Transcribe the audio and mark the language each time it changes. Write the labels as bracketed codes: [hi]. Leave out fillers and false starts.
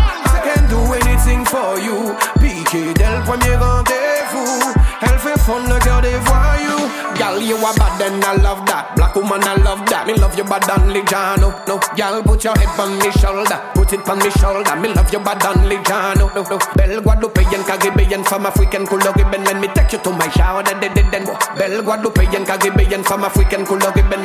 [en] I can do anything for you. [fr] Piqué del premier rendez-vous. Elle fait fondre le cœur des voyous. [en] Girl, you a bad and I love that. Black woman, I love that. Me love you bad only, Jano. No, girl, put your head on me shoulder. Put it on me shoulder. Me love you bad only, Jano. No. Belle Guadeloupean, Caribbean, from African Caribbean. Let me take you to my yard, then. Belle Guadeloupean, Caribbean, from African Caribbean.